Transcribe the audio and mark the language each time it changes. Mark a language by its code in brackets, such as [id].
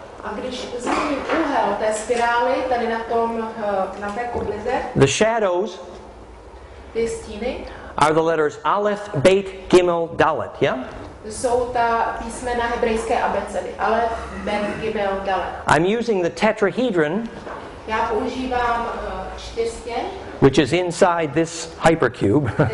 [cs] a když změním úhel té spirály tady na tom na té koblize, [en] the shadows, [cs] ty stíny, [en] are the letters Aleph, Beit, Gimel, Dalet, yeah? [cs] Jsou ta písmena hebrejské abecedy. Aleph, Beit, Gimel, Dalet. [en] I'm using the tetrahedron, [cs] já používám čtyřstěn, [en] which is inside this hypercube.